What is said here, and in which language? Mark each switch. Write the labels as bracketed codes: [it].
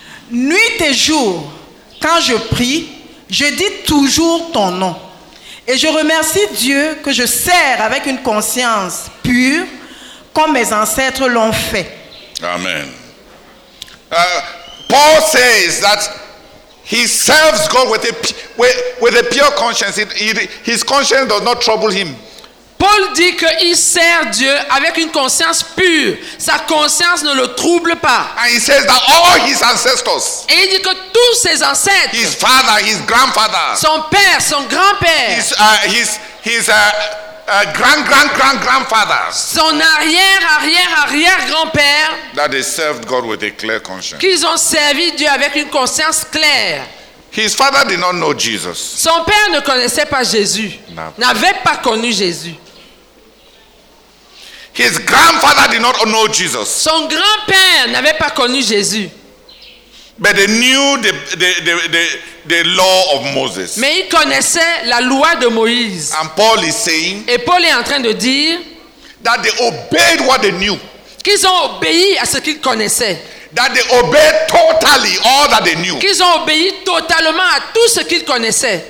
[fr] Nuit et jour, quand je prie, je dis toujours ton nom. Et je remercie Dieu que je sers avec une conscience pure, comme mes ancêtres l'ont fait. Amen. [en] Paul says that he serves God with a pure conscience. His conscience does not trouble him. [fr] Paul dit qu'il sert Dieu avec une conscience pure. Sa conscience ne le trouble pas. [en] And he says that all his ancestors, [fr] et il dit que tous ses ancêtres, [en] his father, his grandfather, [fr] son père, son grand-père, [en] his grand-grand-grand-grandfather, [fr] son arrière-arrière-arrière-grand-père, [en] that they served God with a clear conscience, [fr] qu'ils ont servi Dieu avec une conscience claire. [en] His father did not know Jesus. [fr] Son père ne connaissait pas Jésus. [en] No. [fr] N'avait pas connu Jésus. [en] His grandfather did not know Jesus. [fr] Son grand-père n'avait pas connu Jésus. [en] But they knew the law of Moses. [fr] Mais il connaissait la loi de Moïse. [en] And Paul is saying, [fr] et Paul est en train de dire, [en] that they obeyed what they knew. [fr] Qu'ils ont obéi à ce qu'ils connaissaient. [en] That they obeyed totally all that they knew. [fr] Qu'ils ont obéi totalement à tout ce qu'ils connaissaient.